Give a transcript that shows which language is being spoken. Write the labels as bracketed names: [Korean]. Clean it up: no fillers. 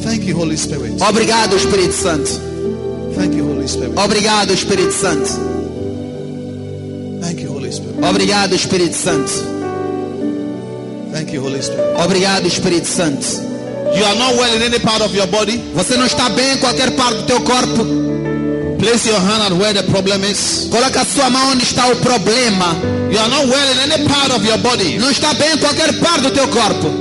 [English] Thank you, Holy Spirit. [Portuguese] Obrigado, Espírito Santo. [English] Thank you, Holy Spirit. [Portuguese] Obrigado, Espírito Santo. [English] Thank you, Holy Spirit. [Portuguese] Obrigado, Espírito Santo. [English] Thank you, Holy Spirit. [Portuguese] Obrigado, Espírito Santo. [English] You are not well in any part of your body. [Portuguese] Você não está bem em qualquer parte do teu corpo. [English] Place your hand at where the problem is. [Portuguese] Coloque a sua mão onde está o problema. [English] You are not well in any part of your body. [Portuguese] Não está bem em qualquer parte do teu corpo.